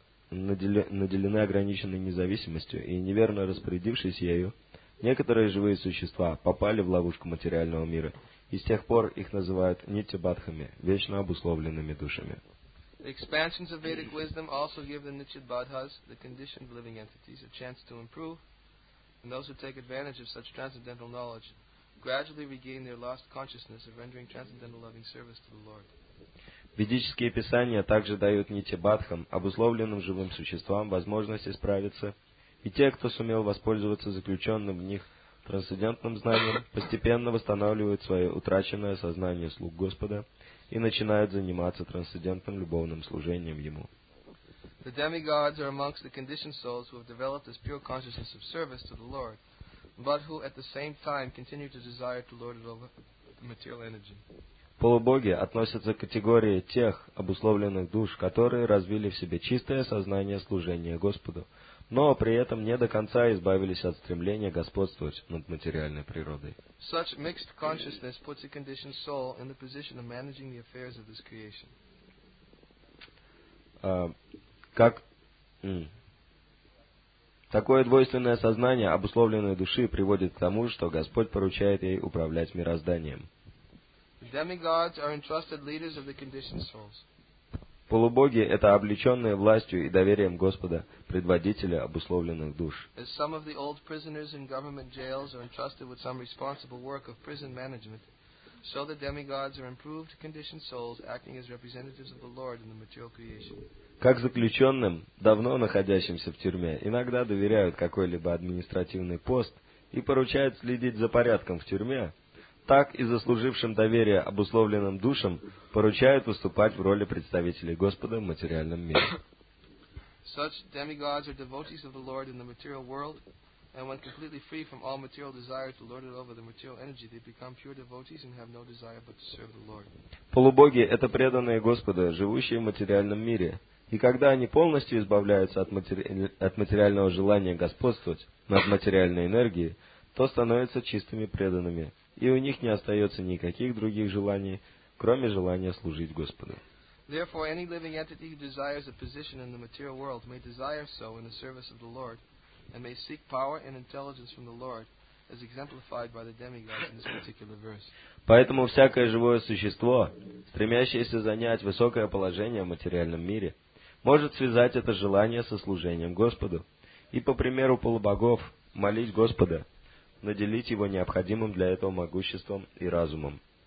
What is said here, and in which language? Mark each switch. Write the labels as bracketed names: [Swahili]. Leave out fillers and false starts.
[Russian] Наделены ограниченной независимостью и неверно распорядившись ею, некоторые живые существа попали в ловушку материального мира, и с тех пор их называют нитибадхами, вечно обусловленными душами. [English] The expansions of Vedic wisdom also give the nitibadhas, the conditioned living entities, a chance to improve, and those who take advantage of such transcendental knowledge gradually regain their lost consciousness of rendering transcendental loving service to the Lord. [Russian] Ведические писания также дают нитибадхам, обусловленным живым существам, возможность исправиться, и те, кто сумел воспользоваться заключенным в них трансцендентным знанием, постепенно восстанавливают свое утраченное сознание слуг Господа и начинают заниматься трансцендентным любовным служением Ему. [English] The demigods are amongst the conditioned souls who have developed this pure consciousness of service to the Lord, but who at the same time continue to desire to lord it over material energy. [Russian] Полубоги относятся к категории тех обусловленных душ, которые развили в себе чистое сознание служения Господу, но при этом не до конца избавились от стремления господствовать над материальной природой. [English] Such mixed consciousness puts a conditioned soul in the position of managing the affairs of this creation. [Russian] Такое двойственное сознание обусловленной души приводит к тому, что Господь поручает ей управлять мирозданием. [English] Demigods are entrusted leaders of the conditioned souls. [Russian] Полубоги — это облеченные властью и доверием Господа предводители обусловленных душ. [English] As some of the old prisoners in government jails are entrusted with some responsible work of prison management, so the demigods are improved conditioned souls acting as representatives of the Lord in the material creation. [Russian] Как заключенным, давно находящимся в тюрьме, иногда доверяют какой-либо административный пост и поручают следить за порядком в тюрьме, так и заслужившим доверие обусловленным душам поручают выступать в роли представителей Господа в материальном мире. [English] Such demigods are devotees of the Lord in the material world, and when completely free from all material desire to lord it over the material energy, they become pure devotees and have no desire but to serve the Lord. [Russian] Полубоги — это преданные Господа, живущие в материальном мире. И когда они полностью избавляются от материального желания господствовать над материальной энергией, то становятся чистыми преданными, и у них не остается никаких других желаний, кроме желания служить Господу. [English] Therefore, any living entity who desires a position in the material world may desire so in the service of the Lord, and may seek power and intelligence from the Lord, as exemplified by the demigods in this particular verse. [Russian] Поэтому всякое живое существо, стремящееся занять высокое положение в материальном мире, может связать это желание со служением Господу и, по примеру полубогов, молить Господа, наделить его необходимым для этого могуществом и разумом.